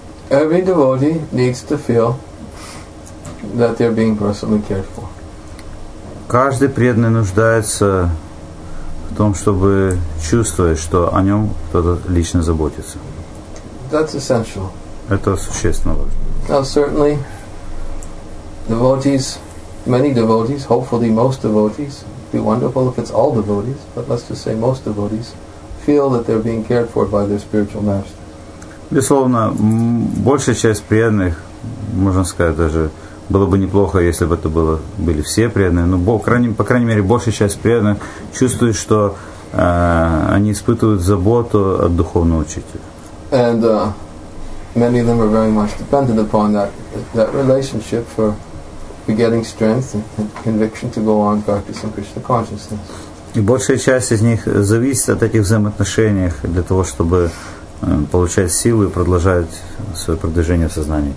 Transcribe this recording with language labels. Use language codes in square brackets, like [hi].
[en] Every devotee needs to feel that they're being personally cared for. [ru] Каждый преданный нуждается в том, чтобы чувствовать, что о нем кто-то лично заботится. [en] That's essential. [ru] Это существенно важно. [en] Now, certainly, devotees, many devotees, hopefully most devotees, it'd be wonderful if it's all devotees, but let's just say most devotees, feel that they're being cared for by their spiritual masters. [ru] Безусловно, большая часть преданных, можно сказать, даже было бы неплохо, если бы это были все преданные, но по крайней мере большая часть преданных чувствует, что они испытывают заботу от духовного учителя. [en] And many of them are very much dependent upon that relationship for getting strength and conviction to go on practicing Krishna consciousness. [ru] И большая часть из них зависит от этих взаимоотношений для того, чтобы получать силы и продолжать свое продвижение в сознании